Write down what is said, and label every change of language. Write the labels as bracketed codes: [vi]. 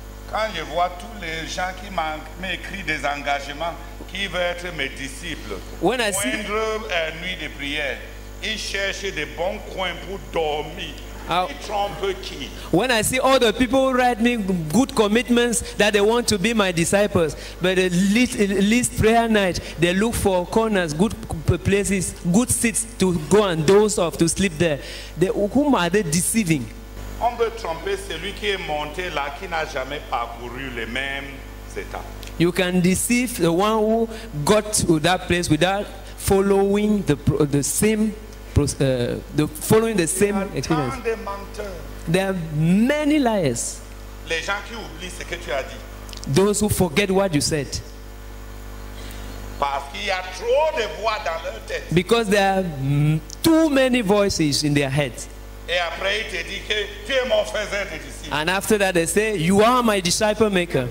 [fr] Quand je vois tous les gens qui m'écrivent des engagements, qui veulent être mes disciples, [en] when I see [fr] une nuit de prière, ils cherchent des bons coins pour dormir. [en] When I see all the people write me good commitments that they want to be my disciples, but at least prayer night, they look for corners, good places, good seats to go and doze off, to sleep there. Whom are they deceiving? [fr] On peut tromper celui qui est monté là, qui n'a jamais parcouru les mêmes étapes. [en] You can deceive the one who got to that place without following the same experience. [fr] Tant de menteurs. [en] There are many liars. [fr] Les gens qui oublient ce que tu as dit. [en] Those who forget what you said. [fr] Parce qu'il y a trop de voix dans leur tête. [en] Because there are too many voices in their heads. [fr] Et après, il te dit que tu es mon faiseur de disciples. [en] And after that, they say, you are my disciple maker.